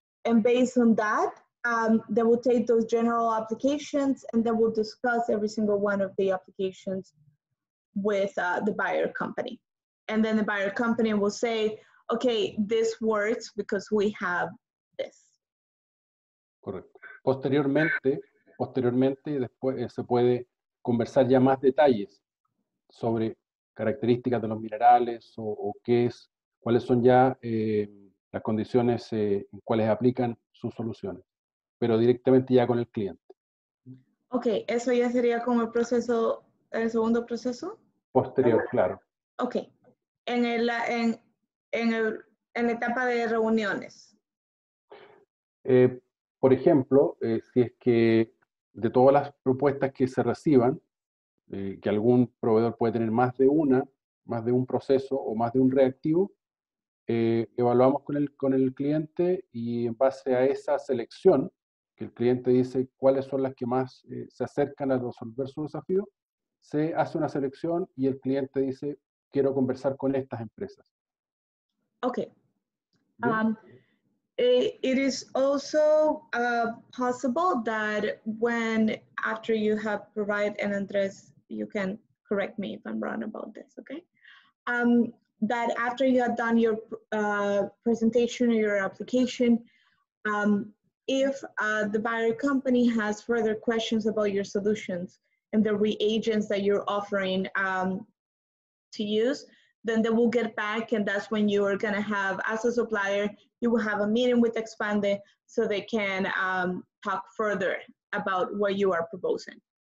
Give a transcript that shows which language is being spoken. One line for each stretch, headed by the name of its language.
English: And based on that, they will take those general applications and they will discuss every single one of the applications with the buyer company. And then the buyer company will say, okay, this works because we have this.
Spanish: Correcto. Posteriormente después se puede conversar ya más detalles sobre características de los minerales o qué es, cuáles son ya las condiciones en cuáles aplican sus soluciones, pero directamente ya con el cliente. Okay, eso ya sería como el segundo proceso. Posterior, claro. Okay. En la etapa de reuniones. Por ejemplo, si es que de todas las propuestas que se reciban, que algún proveedor puede tener más de un proceso o más de un reactivo, evaluamos con el cliente y en base a esa selección, que el cliente dice cuáles son las que más se acercan a resolver su desafío, se hace una selección y el cliente dice, quiero conversar con estas empresas. Okay.
English: It is also possible that when, after you have provided an address, you can correct me if I'm wrong about this, okay? That after you have done your presentation or your application, if the buyer company has further questions about your solutions and the reagents that you're offering to use, then they will get back, and that's when you are gonna have, as a supplier, you will have a meeting with Expande so they can talk further about what you are proposing.